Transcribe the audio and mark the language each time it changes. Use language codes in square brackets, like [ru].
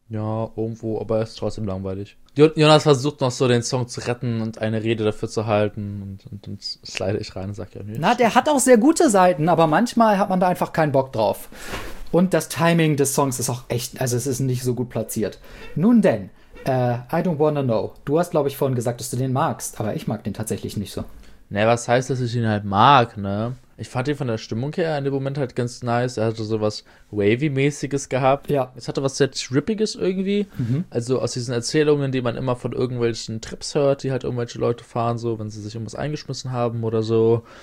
[de] Ja, irgendwo, aber er ist trotzdem langweilig. Jonas versucht noch so, den Song zu retten und eine Rede dafür zu halten, und dann slide ich rein und sag ja nichts. Na, der hat auch sehr gute Seiten, aber manchmal hat man da einfach keinen Bock drauf. Und das Timing des Songs ist auch echt, also es ist nicht so gut platziert. Nun denn, [en] I don't wanna know. [de] Du hast, glaube ich, vorhin gesagt, dass du den magst, aber ich mag den tatsächlich nicht so. Ne, was heißt, dass ich ihn halt mag, ne? Ich fand ihn von der Stimmung her in dem Moment halt ganz nice. Er hatte so was Wavy-mäßiges gehabt. Ja. Es hatte was sehr Trippiges irgendwie. Mhm. Also aus diesen Erzählungen, die man immer von irgendwelchen Trips hört, die halt irgendwelche Leute fahren, so, wenn sie sich irgendwas eingeschmissen haben oder so.